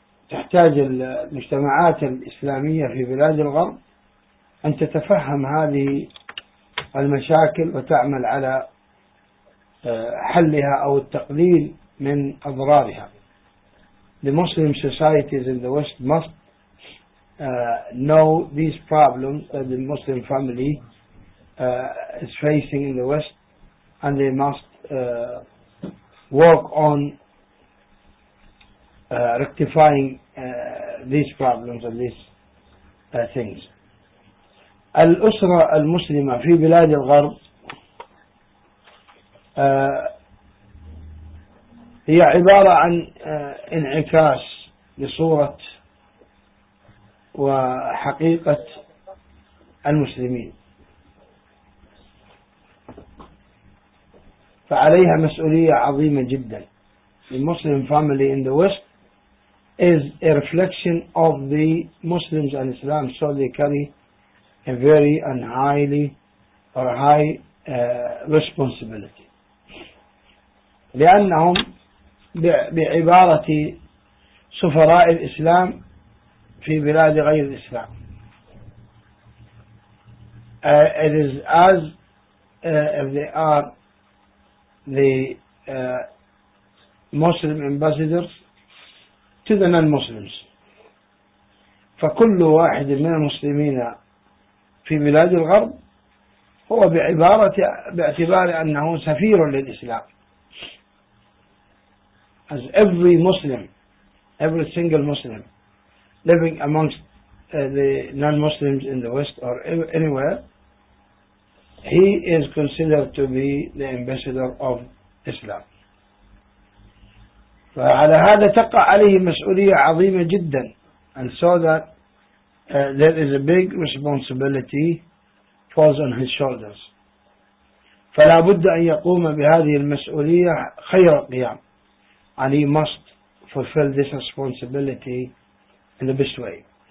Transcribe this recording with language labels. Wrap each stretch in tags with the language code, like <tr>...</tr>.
<ar>تحتاج المجتمعات الإسلامية في بلاد الغرب أن تتفهم هذه المشاكل وتعمل على حلها أو التقليل من أضرارها.</ar> <en>The Muslim societies in the West must know these problems that the Muslim family is facing in the West, and they must work on rectifying these problems and these things.</en> <ar>الأسرة المسلمة في بلاد الغرب هي عبارة عن انعكاس لصورة وحقيقة المسلمين، فعليها مسؤولية عظيمة جدا.</ar> <en>The Muslim family in the West is a reflection of the Muslims and Islam, so they carry a very and highly or high responsibility.</en> <ar>لأنهم بعبارة سفراء الإسلام في بلاد غير الإسلام.</ar> <en>It is as if they are the Muslim ambassadors to the non-Muslims.</en> <ar>فكل واحد من المسلمين في بلاد الغرب هو بعبارة باعتبار أنه سفير للإسلام.</ar> <en>As every Muslim, every single Muslim living amongst the non-Muslims in the West or anywhere, he is considered to be the ambassador of Islam.</en> <ar>فعلى هذا تقع عليه مسؤولية عظيمة جدا.</ar> <en>And so that there is a big responsibility falls on his shoulders.</en> <ar>فلا بد أن يقوم بهذه المسؤولية خير القيام.</ar> <en>And he must fulfill this responsibility in the best way.</en>